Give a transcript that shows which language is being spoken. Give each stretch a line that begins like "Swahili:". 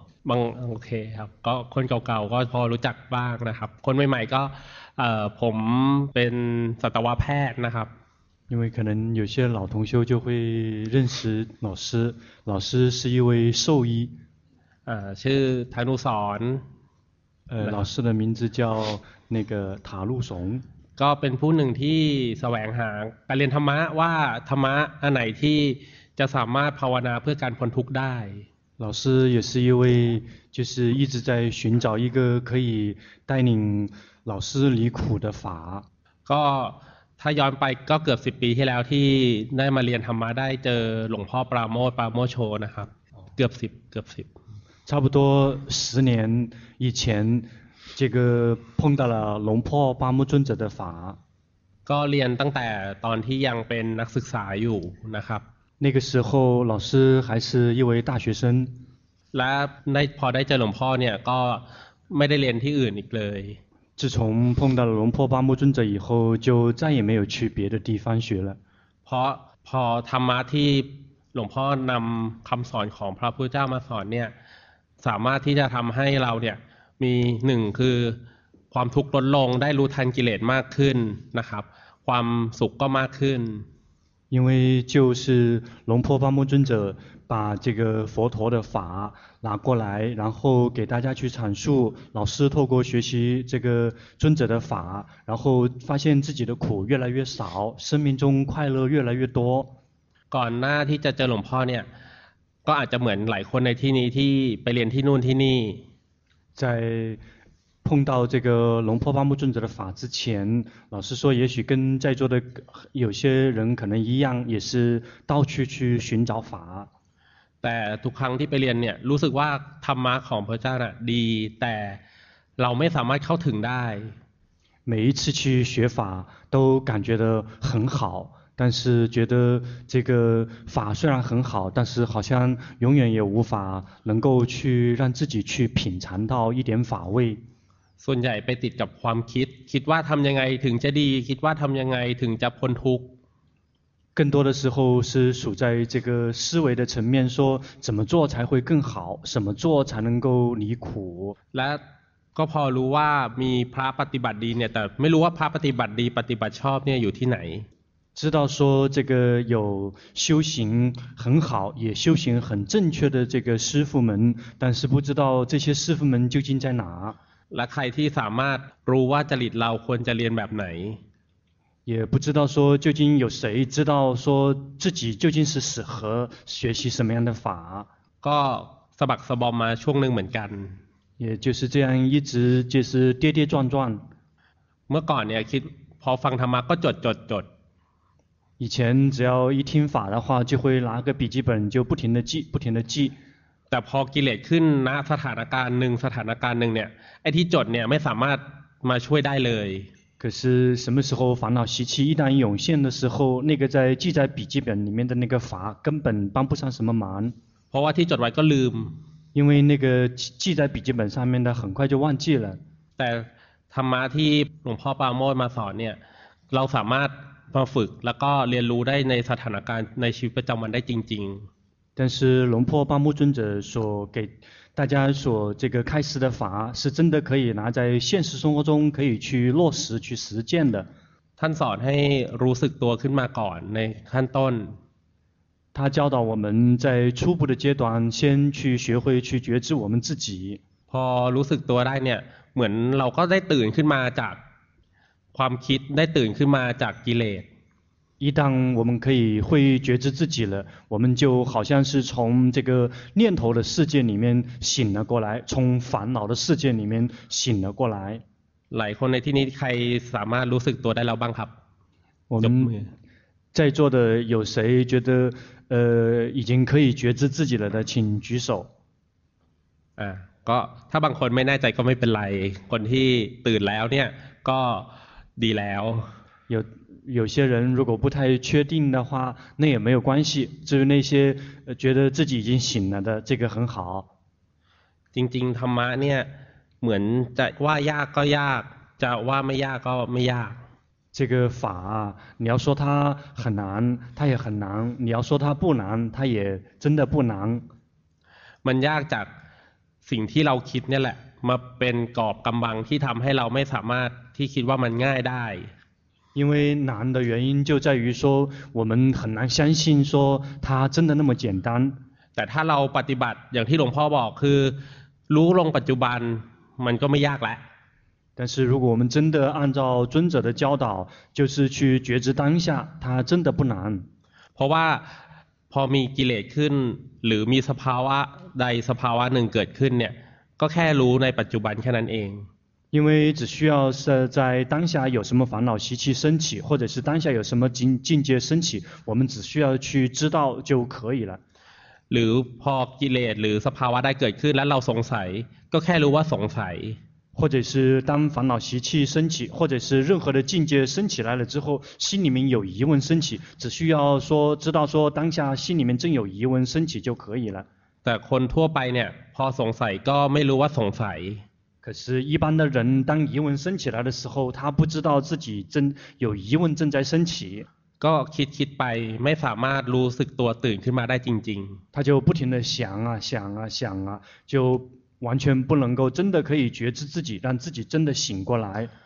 Thai: บางโอเคครับก็คนเก่าๆก็พอรู้จักบ้างนะครับคนใหม่ๆก็ผมเป็นสัตวแพทย์นะครับ
Chinese: 因为可能有些老同修就会认识老师老师是一位兽医
Thai: ชื่อธนุสร
Chinese: 老师的名字叫那个塔路怂
Thai: ก็เป็นผู้หนึ่งที่แสวงหาการเรียนธรรมะว่าธรรมะอันไหนที่จะสามารถภาวนาเพื่อการพ้นทุกข์ได้
Chinese: 老师也是一位就是一直在寻找一个可以带领老师离苦的法
Thai: ก็ถ้าย้อนไปก็เกือบ10ปีที่แล้วที่ได้มาเรียนธรรมะได้เจอหลวงพ่อปราโมทปราโมโชนะครับเกือบ10
Chinese: 差不多10年以前这个碰到了龙破八木尊者的法
Thai: ก็เรียนตั้งแต่ตอนที่ยังเป็นนักศึกษาอยู่นะครับ
Chinese: 那个时候老师还是一位大学生
Thai: และได้พอได้เจอหลวงพ่อเนี่ยก็ไม่ได้เรียนที่อื่นอีกเลย
Chinese: 自从碰到了龙破八木尊者以后就再也没有去别的地方学了
Thai: พอธรรมะที่หลวงพ่อนำคำสอนของพระพุทธเจ้ามาสอนเนี่ยสามารถที่จะทำให้เราเนี่ยมีหนึ่งคือความทุกข์ลดลงได้รู้ทันกิเลสมากขึ้นนะครับความสุขก็มากขึ้น
Chinese: 因为就是龙婆巴木尊者把这个佛陀的法拿过来然后给大家去阐述老师透过学习这个尊者的法然后发现自己的苦越来越少生命中快乐越来越多
Thai: ก่อนหน้าที่จะเจอหลวงพ่อเนี่ยก็อาจจะเหมือนหลายคนในที่นี้ที่ไปเรียนที่นู่นที่นี่
Chinese: 在碰到这个龙破八木尊者的法之前，老师说，也许跟在座的有些人可能一样，也是到处去寻找法。
Thai: แต่ทุกครั้งที่ไปเรียนเนี่ยรู้สึกว่าธรรมะของพระเจ้าน่ะดีแต่เราไม่สามารถเข้าถึงได้。
Chinese: 每一次去学法都感觉得很好，但是觉得这个法虽然很好，但是好像永远也无法能够去让自己去品尝到一点法味。
Thai: ส่วนใหญ่ไปติดกับความคิดคิดว่าทำยังไงถึงจะดีคิดว่าทำยังไงถึงจะพ้นทุกข์
Chinese: 更多的时候是处在这个思维的层面说怎么做才会更好怎么做才能够离苦
Thai: และก็พอรู้ว่ามีพระปฏิบัติดีเนี่ยแต่ไม่รู้ว่าพระปฏิบัติดีปฏิบัติชอบเนี่ยอยู่ที่ไหน
Chinese: 知道说这个有修行很好也修行很正确的这个师父们但是不知道这些师父们究竟在哪
Thai: และใครที่สามารถรู้ว่าจริตเราควรจะเรียนแบบไหน
Chinese: 也不知道说究竟有谁知道说自己究竟是适合学习什么样的法
Thai: ก็สะบักสะบอมมาช่วงนึงเหมือนกัน
Chinese: 也就是这样一直就是跌跌撞撞
Thai: เมื่อก่อนเนี่ยคิดพอฟังธรรมะก็จด
Chinese: 以前只要一听法的话就会拿个笔记本就不停地记
Thai: แต่พอกิเลสขึ้นณสถานการณ์หนึ่งสถานการณ์หนึ่งเนี่ยไอ้ที่จดเนี่ยไม่สามารถมาช่วยได้เลย
Chinese: 可是什么时候烦恼习气一旦涌现的时候那个在记在笔记本里面的那个法根本帮不上什么忙
Thai: เพราะว่าที่จดไว้ก็ลืม
Chinese: 因为那个记在笔记本上面的很快就忘记了
Thai: แต่ธรรมะที่หลวงพ่อปาโมทย์มาสอนเนี่ยเราสามารถมาฝึกแล้วก็เรียนรู้ได้ในสถานการณ์ในชีวิตประจำวันได้จริงๆ
Chinese: 但是龙破八木尊者所给大家所这个开示的法是真的可以拿在现实生活中可以去落实去实践的
Thai: ท่านสอนให้รู้สึกตัวขึ้นมาก่อนในขั้นต้น
Chinese: 他教导我们在初步的阶段先去学会去觉知我们自己
Thai: พอรู้สึกตัวได้เนี่ยเหมือนเราก็ได้ตื่นขึ้นมาจากความคิดได้ตื่นขึ้นมาจากกิเลส
Chinese: 一旦我们可以会觉知自己了我们就好像是从这个念头的世界里面醒了过来从烦恼的世界里面醒了过来
Thai: หลายคนในที่นี้ใครสามารถรู้สึกตัวได้แล้วบ้างครับ
Chinese: 我们在座的有谁觉得已经可以觉知自己了的请举手
Thai: ก็ถ้าบางคนไม่แน่ใจก็ไม่เป็นไรคนที่ตื่นแล้วเนี่ยก็ดีแล้ว
Chinese: 有些人如果不太确定的话那也没有关系至于那些觉得自己已经醒了的这个很好
Thai: จริงๆธรรมะเนี่ยเหมือนจะว่ายากก็ยากจะว่าไม่ยากก็ไม่ยาก
Chinese: 这个法你要说它很难它也很难你要说它不难它也真的不难
Thai: มันยากจากสิ่งที่เราคิดเนี่ยแหละมาเป็นกรอบกำบังที่ทำให้เราไม่สามารถที่คิดว่ามันง่ายได้
Chinese: 因为难的原因就在于说我们很难相信说它真的那么简单
Thai: แต่ถ้าเราปฏิบัติอย่างที่หลวงพ่อบอกคือรู้ลงปัจจุบันมันก็ไม่ยากแล้ว
Chinese: 但是如果我们真的按照尊者的教导就是去觉知当下它真的不难
Thai: เพราะว่าพอมีกิเลสขึ้นหรือมีสภาวะใดสภาวะหนึ่งเกิดขึ้นเนี่ยก็แค่รู้ในปัจจุบันแค่นั้นเอง
Chinese: 因为只需要是在当下有什么烦恼习气升起或者是当下有什么境界升起我们只需要去知道就可以了
Thai: หรือพอกิเลสหรือสภาวะได้เกิดขึ้นแล้วเราสงสัยก็แค่รู้ว่าสงสัย
Chinese: 或者是当烦恼习气升起或者是任何的境界升起来了之后心里面有疑问升起只需要说知道说当下心里面正有疑问升起就可以了
Thai: แต่คนทั่วไปเนี่ยพอสงสัยก็ไม่รู้ว่าสงสัย
Chinese: 可是一般的人当疑问升起来的时候他不知道自己正有疑问正在升起
Thai: ก็คิดไปไม่สามารถรู้สึกตัวตื่นขึ้นมาได้จริง
Chinese: ๆ他就不停地想啊想啊想啊就完全不能够真的可以觉知自己让自己真的醒过来